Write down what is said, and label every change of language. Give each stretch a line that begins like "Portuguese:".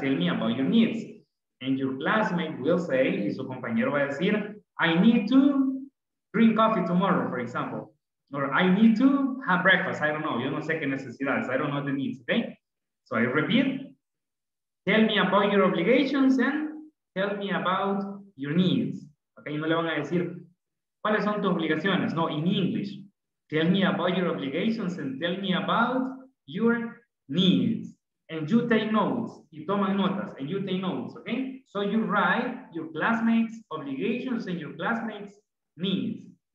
English: Tell me about your needs. And your classmate will say,
Spanish: y su compañero va a decir,
English: I need to drink coffee tomorrow, for example. Or I need to have breakfast. I don't know.
Spanish: Yo no sé qué necesidades.
English: I don't know the needs. Okay? So I repeat. Tell me about your obligations and tell me about your needs. Okay?
Spanish: No le van a decir, ¿cuáles son tus obligaciones?
English: No, in English. Tell me about your obligations and tell me about your needs. And you take notes,
Spanish: y toman notas,
English: and you take notes, okay? So you write your classmates' obligations and your classmates' needs.